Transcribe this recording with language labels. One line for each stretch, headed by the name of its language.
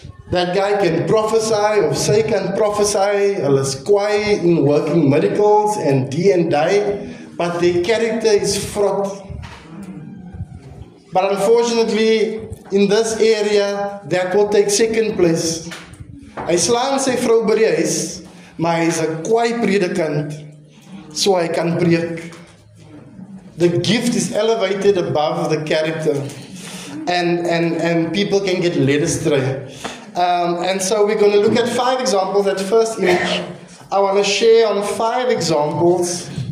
English: That guy can prophesy, or say can prophesy, or is quiet in working miracles and die, but their character is fraught. But unfortunately, in this area, that will take second place.
Afrikaans: Hy slaan sy vrou by die huis, maar hy is 'n kwaai predikant, so hy kan preek.
English: The gift is elevated above the character, and people can get led astray. And so we're going to look at 5 examples. At first image, I want to share on 5 examples.